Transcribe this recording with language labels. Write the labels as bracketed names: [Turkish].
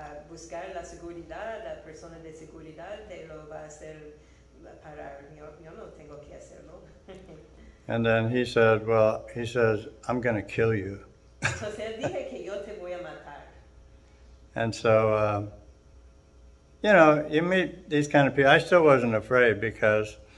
[Spanish] Buscar la seguridad, la persona de seguridad te lo va a hacer parar. Yo no tengo que hacerlo. [English] And then he said, he says, I'm going to kill you. [Spanish] Entonces él dije que yo te voy a matar. [English] And so, you meet these kind of people. I still wasn't afraid because